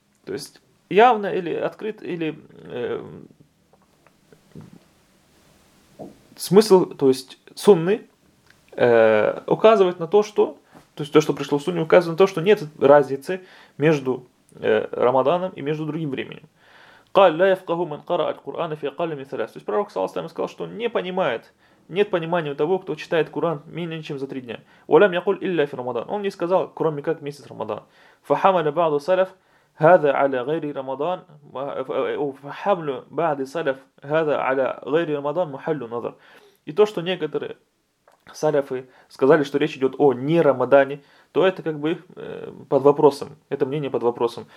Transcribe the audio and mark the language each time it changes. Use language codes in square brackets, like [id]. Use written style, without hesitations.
[ru] То есть явно или открыт, или смысл, то есть сунны указывает на то, что, то есть то, что пришло в сунне, указывает на то, что нет разницы между Рамаданом и между другим временем. [ar] قال لا يفقه من قرأ القرآن في أقل من ثلاث. [ru] То есть пророк саллаллаху алейхи ва саллям сказал, что не понимает, нет понимания у того, кто читает Коран менее чем за 3 дня. [ar] ولم يقل إلا في رمضان. [ru] Он не сказал, кроме как месяц Рамадан. [ar] فحمل بعض السلف هذا على غير رمضان. فحمل بعض السلف هذا على غير رمضان محل نظر. [ru] И то, что некоторые саляфы сказали, что речь идет о не Рамадане, то это как бы под вопросом, это мнение под вопросом.